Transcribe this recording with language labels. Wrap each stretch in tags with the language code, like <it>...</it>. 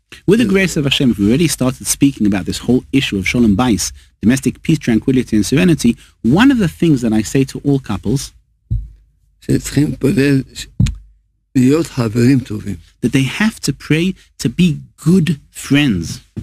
<en>With the grace of Hashem, if we already started speaking about this whole issue of Shalom Bayis, domestic peace, tranquility, and serenity, one of the things that I say to all couples,</en> <he>שצריכים פלל, להיות חברים טובים.</he> <en>That they have to pray to be good friends.</en>